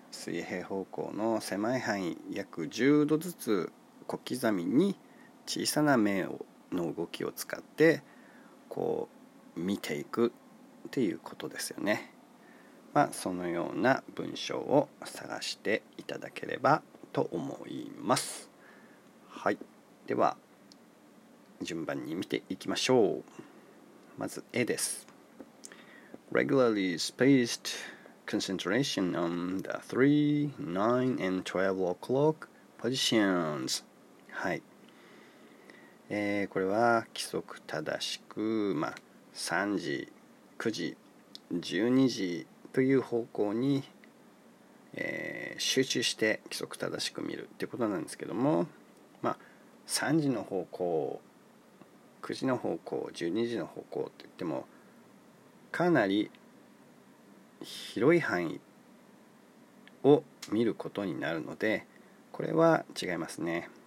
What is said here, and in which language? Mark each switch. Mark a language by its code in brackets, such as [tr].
[ja] 水平方向の狭い範囲約10度ずつ小刻みに小さな目の動きを使ってこう見ていくっていうことですよね。まあそのような文章を探していただければと思います。はい、では順番に見ていきましょう。まず A です。 [en] Regularly spacedConcentration on the 3, 9, and 12 o'clock positions. [ja] はい、これは規則正しく、まあ、3時、9時、12時という方向に、集中して規則正しく見るってことなんですけども、まあ、3時の方向、9時の方向、12時の方向って言ってもかなり広い範囲を見ることになるのでこれは違いますね。